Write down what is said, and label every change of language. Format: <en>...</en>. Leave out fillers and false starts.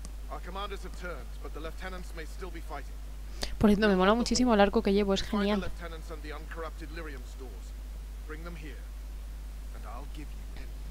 <en>Our commanders have turned, but the lieutenants may still be fighting.</en> <es>Por cierto, me mola muchísimo el arco que llevo, es genial.</es> <en>Find the lieutenants and the uncorrupted Lyrium stores. Bring them here, and I'll give you envy.</en>